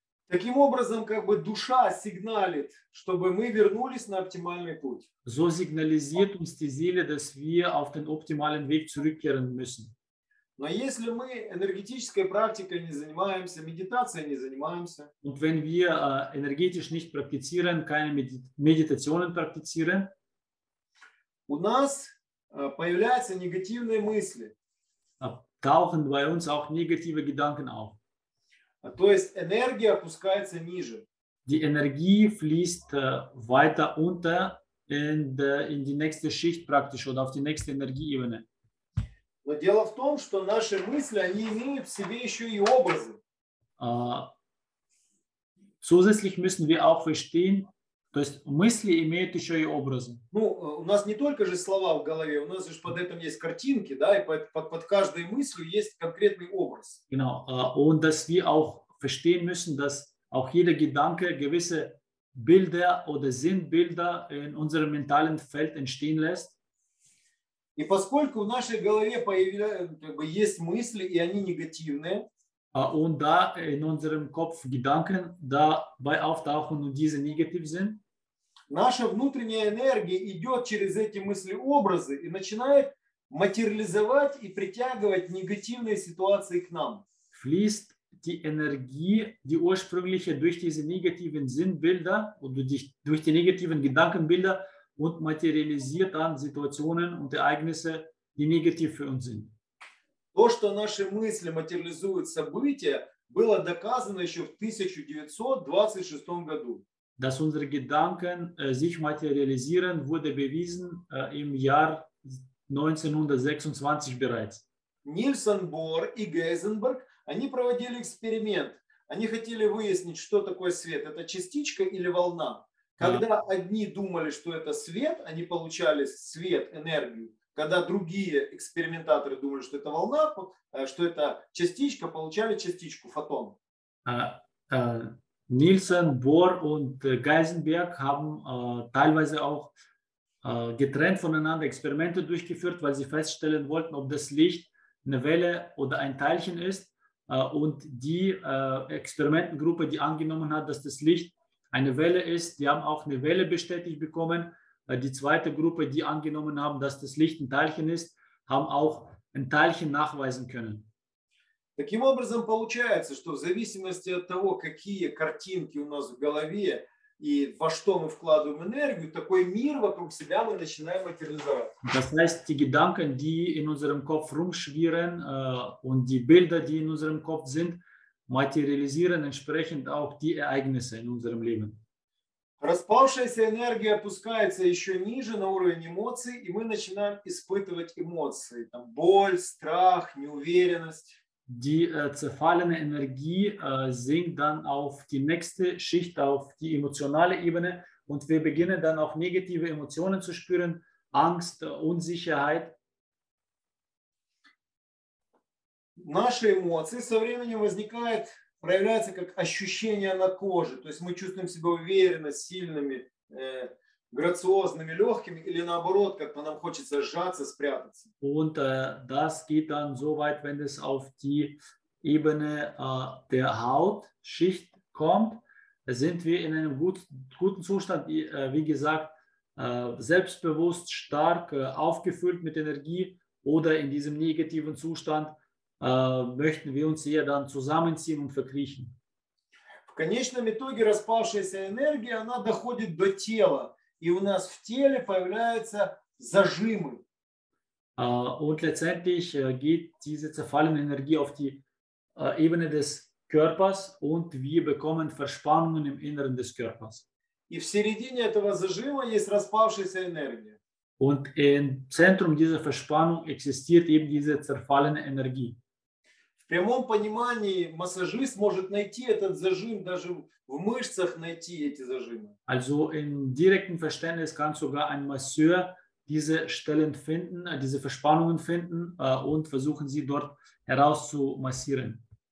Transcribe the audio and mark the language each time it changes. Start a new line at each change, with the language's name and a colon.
Russian: Таким образом, как бы душа сигналит, чтобы мы вернулись на оптимальный путь.
German: So signalisiert uns die Seele, dass wir auf den optimalen Weg zurückkehren müssen.
Russian: Но если мы энергетической практикой не занимаемся, медитацией не занимаемся,
German: und wenn wir energetisch nicht praktizieren, keine Meditationen praktizieren,
Russian: у нас появляются негативные мысли.
German: Tauchen bei uns auch negative Gedanken auf.
Russian: То есть энергия опускается ниже.
German: Die Energie fließt weiter unter in die nächste Schicht praktisch oder auf die nächste Energieebene.
Russian: Но дело в том, что наши мысли, они имеют в себе еще и образы.
German: Zusätzlich müssen wir auch verstehen,
Russian: то есть мысли имеют еще и образы. Ну, у нас не только же слова в голове, у нас же под этим есть картинки, да, и под каждой мыслью есть конкретный образ.
German: Genau, und dass wir auch verstehen müssen, dass auch jeder Gedanke gewisse Bilder oder Sinnbilder in unserem mentalen Feld entstehen lässt.
Russian: И поскольку в нашей голове есть мысли, и они негативные,
German: und da in unserem Kopf Gedanken dabei auftauchen und diese negativ sind,
Russian: наша внутренняя энергия идет через эти мысли-образы и начинает материализовать и притягивать негативные ситуации к нам.
German: Fließt die Energie, die ursprüngliche, durch diese negativen Sinnbilder und durch die negativen Gedankenbilder und materialisiert dann Situationen und Ereignisse, die negativ für uns sind.
Russian: То, что наши мысли материализуют события, было доказано еще в 1926 году.
German: Dass unsere Gedanken sich materialisieren, wurde bewiesen im Jahr 1926 bereits.
Russian: Нильсон Бор и Гейзенберг, они проводили эксперимент. Они хотели выяснить, что такое свет. Это частичка или волна? Когда одни думали, что это свет, они получали свет, энергию. Когда другие экспериментаторы думали, что это волна, что это частичка, получали частичку, фотон.
German: Нильсон, Бор и Гейзенберг haben teilweise auch getrennt voneinander Experimente durchgeführt, weil sie feststellen wollten, ob das Licht eine Welle oder ein Teilchen ist. Und die Experimentengruppe, die angenommen hat, dass das Licht eine Welle ist, die haben auch eine Welle bestätigt bekommen. Die zweite Gruppe, die angenommen haben, dass das Licht ein Teilchen ist, haben auch ein Teilchen nachweisen können.
Russian: Таким образом получается, что в зависимости от того, какие картинки у нас в голове и во что мы вкладываем энергию, такой мир вокруг себя мы начинаем материализовать.
German: Das heißt, die Gedanken, die in unserem Kopf rumschwirren und die Bilder, die in unserem Kopf sind, materialisieren entsprechend auch die Ereignisse in unserem Leben.
Russian: Распавшаяся энергия опускается еще ниже на уровень эмоций, и мы начинаем испытывать эмоции. Там боль, страх, неуверенность.
German: Die zerfallene Energie sinkt dann auf die nächste Schicht, auf die emotionale Ebene, Und wir beginnen dann auch negative Emotionen zu spüren, Angst, Unsicherheit.
Russian: Наши эмоции со временем возникают, проявляются как ощущения на коже. То есть мы чувствуем себя уверенно, сильными, грациозными, легкими, или наоборот, как нам хочется сжаться, спрятаться.
German: Und das geht dann so weit, wenn es auf die Ebene der Hautschicht kommt, sind wir in einem guten Zustand, wie gesagt, selbstbewusst, stark, aufgefüllt mit Energie oder in diesem negativen Zustand möchten wir uns eher dann zusammenziehen und verkriechen.
Russian: В конечном итоге распавшаяся энергия, она доходит до тела, и у нас в теле появляются зажимы.
German: Und letztendlich geht diese zerfallene Energie auf die Ebene des Körpers und wir bekommen Verspannungen im Inneren des Körpers.
Russian: И в середине этого зажима есть распавшаяся энергия.
German: Und im Zentrum dieser Verspannung existiert eben diese zerfallene Energie.
Russian: В прямом понимании массажист может найти этот зажим, даже в мышцах найти эти зажимы.
German: Also im direkten Verständnis kann sogar ein Masseur diese Stellen finden, diese Verspannungen finden und versuchen sie dort herauszumassieren.